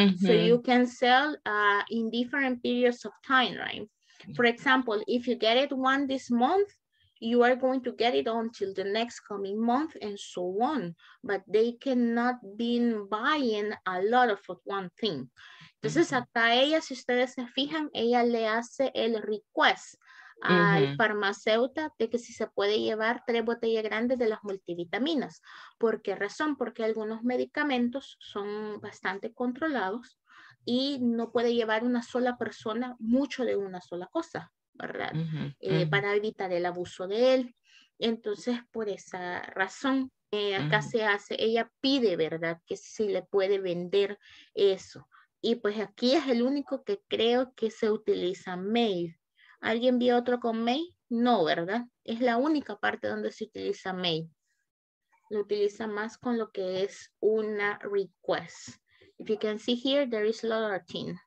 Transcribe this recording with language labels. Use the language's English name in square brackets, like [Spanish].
[English] So you can sell in different periods of time, right? For example, if you get it one this month, you are going to get it until the next coming month and so on. But they cannot be buying a lot of one thing. [Spanish] Entonces, acá ella, si ustedes se fijan, ella le hace el request al farmacéutico de que si se puede llevar 3 botellas grandes de las multivitaminas. ¿Por qué razón? Porque algunos medicamentos son bastante controlados, y no puede llevar una sola persona mucho de una sola cosa, ¿verdad? Uh-huh, uh-huh. Para evitar el abuso de él. Entonces, por esa razón, acá uh-huh. se hace, ella pide, ¿verdad? Que si le puede vender eso. Y pues aquí es el único que creo que se utiliza mail. ¿Alguien vio otro con mail? No, ¿verdad? Es la única parte donde se utiliza mail. Lo utiliza más con lo que es una request. [English] If you can see here, there is Loratin.